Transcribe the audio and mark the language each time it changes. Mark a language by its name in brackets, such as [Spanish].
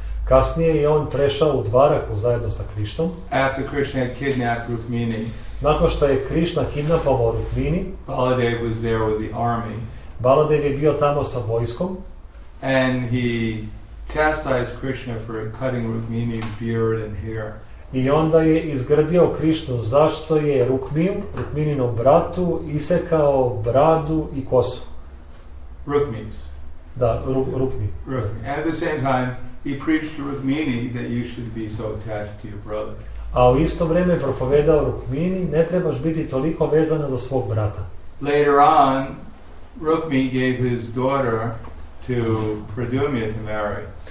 [Serbian] Kasnije je on prešao u Dvaraku zajedno sa Krishnom. [English] After Krishna had kidnapped Rukmini. [Serbian] Nakon što je Krishna kidnapovao Rukmini. [English] Baladev was there with the army. [Serbian] Baladev je bio tamo sa vojskom. [English] And he chastised Krishna for cutting Rukmini's beard and hair. [Serbian] I onda je izgrdio Krishnu zašto je Rukmininom bratu isekao bradu i kosu. [English] Rukmini's. [Serbian] Da, Rukmi. Rukmi. [English] At the same time, he preached to Rukmini that you should be so attached to your brother. [Serbian] A u isto vrijeme propovedao Rukmini, ne trebaš biti toliko vezana za svog brata. [English] Later on, Rukmi gave his daughter to Pradyumna to marry.